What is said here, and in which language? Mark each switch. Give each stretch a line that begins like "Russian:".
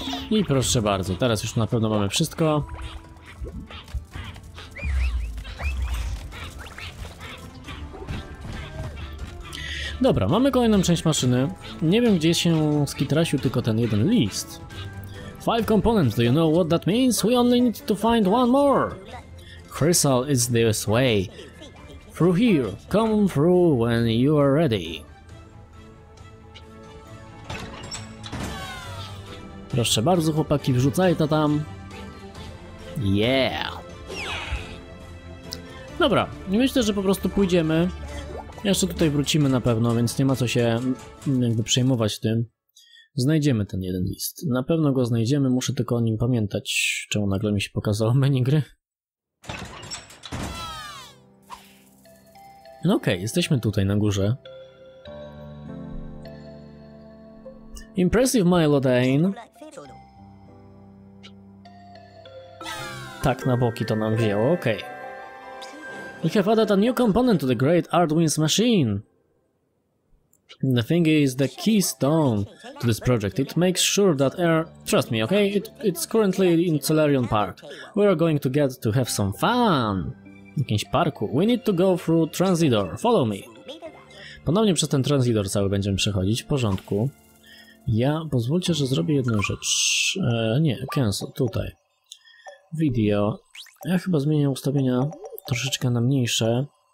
Polish: I proszę bardzo, teraz już na pewno mamy wszystko. Dobra, mamy kolejną część maszyny. Nie wiem, gdzie się skitrasił tylko ten jeden list.
English: 5 components, do you know what that means? We only need to find one more. Crystal is this way. Through here, come through when you are ready.
Polish: Proszę bardzo, chłopaki, wrzucaj to tam. Yeah! Dobra, myślę, że po prostu pójdziemy. Jeszcze tutaj wrócimy na pewno, więc nie ma co się jakby przejmować tym. Znajdziemy ten jeden list. Na pewno go znajdziemy, muszę tylko o nim pamiętać, czemu nagle mi się pokazało menu gry. No okej, jesteśmy tutaj na górze.
English: Impressive, Milo Dane.
Polish: Tak, na boki to nam wzięło, okej.
English: Okay. We have added a new component to the great Arduin's machine. The thing is the keystone to this project. It makes sure that air... Trust me, okay? It's currently in Celerion Park. We are going to get to have some fun.
Polish: W jakimś parku.
English: We need to go through Transidor. Follow me.
Polish: Ponownie przez ten Transidor cały będziemy przechodzić. W porządku. Ja, pozwólcie, że zrobię jedną rzecz. Nie, cancel, tutaj. Video. Ja chyba zmienię ustawienia troszeczkę na mniejsze.